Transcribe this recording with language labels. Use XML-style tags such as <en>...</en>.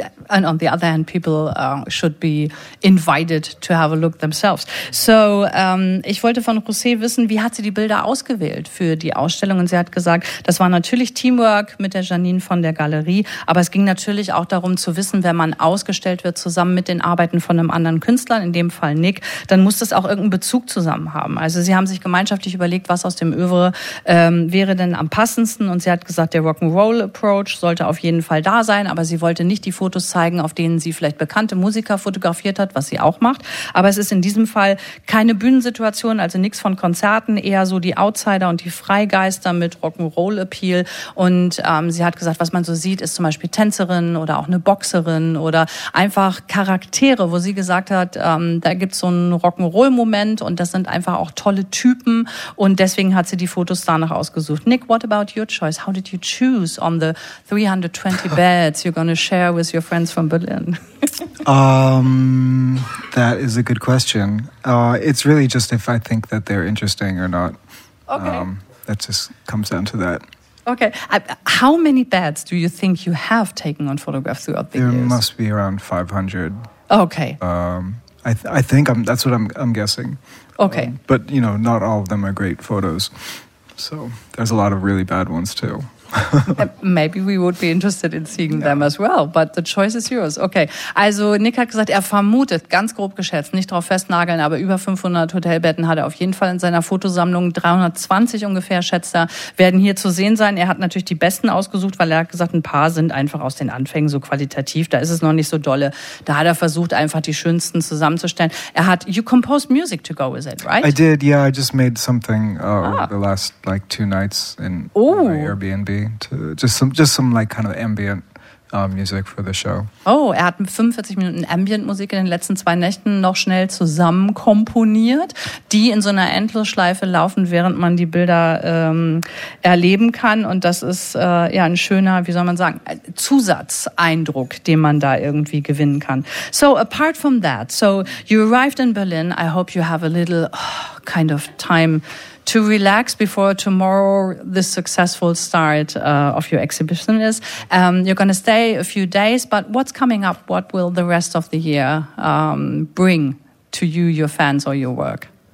<en>And on the other hand, people should be invited to have a look themselves.</en> <de>So, ich wollte von José wissen, wie hat sie die Bilder ausgewählt für die Ausstellung? Und sie hat gesagt, das war natürlich Teamwork mit der Janine von der Galerie. Aber es ging natürlich auch darum zu wissen, wenn man ausgestellt wird zusammen mit den Arbeiten von einem anderen Künstler, in dem Fall Nick, dann muss das auch irgendeinen Bezug zusammen haben. Also sie haben sich gemeinschaftlich überlegt, was aus dem Oeuvre wäre denn am passendsten. Und sie hat gesagt, der Rock'n'Roll Approach sollte auf jeden Fall da sein, aber sie wollte nicht die Fotos zeigen, auf denen sie vielleicht bekannte Musiker fotografiert hat, was sie auch macht. Aber es ist in diesem Fall keine Bühnensituation, also nichts von Konzerten, eher so die Outsider und die Freigeister mit Rock'n'Roll-Appeal. Und sie hat gesagt, was man so sieht, ist zum Beispiel Tänzerin oder auch eine Boxerin oder einfach Charaktere, wo sie gesagt hat, da gibt es so einen Rock'n'Roll-Moment und das sind einfach auch tolle Typen und deswegen hat sie die Fotos danach ausgesucht.</de> <en>Nick, what about your choice? How did you choose on the 320 beds you're going to share with your friends from Berlin? That is a good question. It's really just if I think that they're interesting or not. Okay. That just comes down to that. Okay. How many beds do you think you have taken on photographs throughout the there years? There must be around 500. Okay. I think that's what I'm guessing. Okay. But, you know, not all of them are great photos. So there's a lot of really bad ones too. Maybe we would be interested in seeing them as well, but the choice is yours.</en> <de>Okay, also Nick hat gesagt, er vermutet, ganz grob geschätzt, nicht drauf festnageln, aber über 500 Hotelbetten hat er auf jeden Fall in seiner Fotosammlung, 320 ungefähr, schätzt er, werden hier zu sehen sein. Er hat natürlich die besten ausgesucht, weil er hat gesagt, ein paar sind einfach aus den Anfängen so qualitativ, da ist es noch nicht so dolle. Da hat er versucht, einfach die schönsten zusammenzustellen. Er hat,</de> <en>you composed music to go with it, right? I did, yeah, I just made something the last like two nights in my Airbnb. Just some like kind of ambient music for the show.</en> <de>Oh, er hat 45 Minuten Ambient-Musik in den letzten zwei Nächten noch schnell zusammen komponiert, die in so einer Endlosschleife laufen, während man die Bilder erleben kann. Und das ist ein schöner, wie soll man sagen, Zusatzeindruck, den man da irgendwie gewinnen kann.</de> <en>So, apart from that, so you arrived in Berlin. I hope you have a little kind of time to relax before tomorrow, the successful start of your exhibition is. You're going to stay a few days, but what's coming up? What will the rest of the year bring to you, your fans, or your work?</en>